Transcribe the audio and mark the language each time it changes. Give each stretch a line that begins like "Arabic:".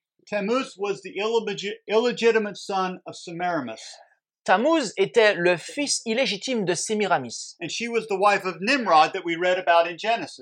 English: Tammuz was the illegitimate son of Semiramis.
French: Tammuz était le fils illégitime de Sémiramis.
English: And she was the wife of Nimrod that we read about in Genesis.